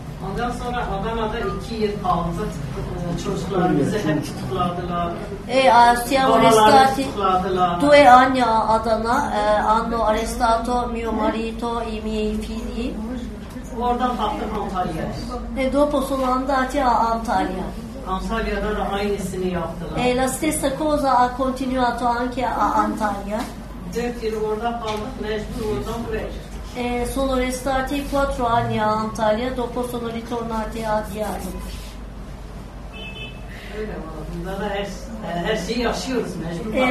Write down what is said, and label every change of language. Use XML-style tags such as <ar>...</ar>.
<tr>Ondan sonra Adana'da iki yıl kaldık. Çocuklarımızı hep tutukladılar.</tr> <it>Siamo restati due anni a Adana. Hanno arrestato mio marito, i miei figli.</it> <tr>Oradan kalktık Antalya'ya.</tr> <it>Dopo sono andati a Antalya.</it> <tr>Antalya'da da aynısını yaptılar.</tr> <it>La stessa cosa ha continuato anche a Antalya.</it> <tr>4 yıl orada kaldık, mecbur oradan buraya.</tr> <it>Sono restati 4 anni a Antalya, dopo sono ritornati a Diyarbakır.</it> <tr>Öyle bunda da her şeyi yaşıyoruz mecbur.</tr>